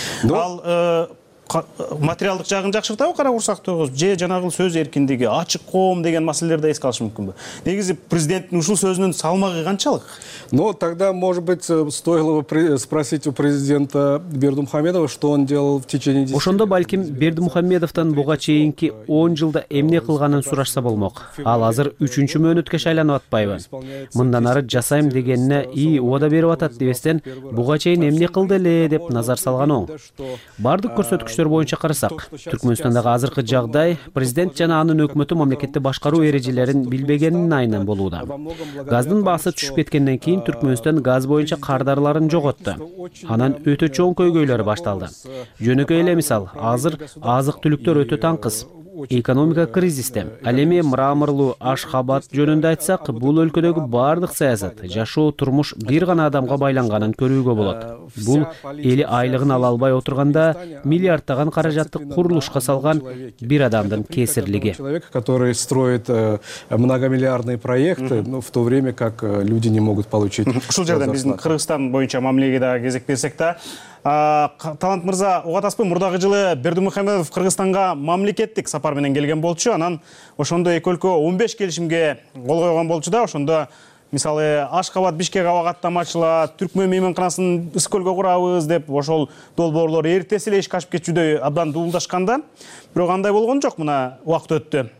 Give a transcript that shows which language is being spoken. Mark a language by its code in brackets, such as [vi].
[ky] Ал материалдык жагын жакшыртабы, кара курсактообуз же жанагыл сөз эркиндиги, ачык коом деген маселелерди эске алыш мүмкүнбү? Негизи президенттин ушул сөзүнүн салмагы канчалык? [ru] Но тогда, может быть, стоило бы спросить у президента Бердимухамедова, что он делал в течение 10 лет. [ky] Ошондо балким Бердимухамедовдон буга чейинки 10 жылда эмне кылганын сурашса болмок. Ал азыр 3-чү мөөнөткө шайланып атпайбы? Мындан ары жасайм дегенине ии убада берип атат дебестен, буга чейин эмне кылды эле деп назар салган оң. Бардык көрсөткүч көрүнүштөр боюнча карасак, Түркмөнстандагы азыркы жагдай президент жана анын өкмөтү мамлекетти башкаруу эрежелерин билбегенин айынан болууда. Газдын баасы түшүп кеткенден кийин Түркмөнстан газ боюнча кардарларын жоготту. Анан өтө чоң көйгөйлөр башталды. Жөнөкөй эле мисал, азыр азык түлүктөр өтө таңкыз. Экономика кризисте. Ал эми мраморлуу Ашхабад жөнүндө айтсак, бул өлкөдөгү бардык саясат, жашоо, турмуш бир гана адамга байланганын көрүүгө болот. Бул эли айлыгын ала албай отурганда миллиарддаган каражатты курулушка салган бир адамдын кесирлиги. [ru] Человек, который строит многомиллиардные проекты, но в то время как люди не могут получить. [ky] Ушул жерден биздин Кыргызстан боюнча мамлеге дагы кезек берсек да, Талант мырза, угатасызбы, мурдагы жылы Бердымухамедов Кыргызстанга мамлекеттик сапар менен келген болчу, анан ошондо эки өлкө 15 келишимге кол койгон болчу да, ошондо мисалы Ашхабад Бишкек аба каттамачыла, Түркмөн мейманканасын Ысык-Көлгө курабыз деп ошол долбоорлор эртеси эле ишке ашып кетчүдөй абдан дуулдашканда, бирок андай болгон жок, мына убакыт өттү.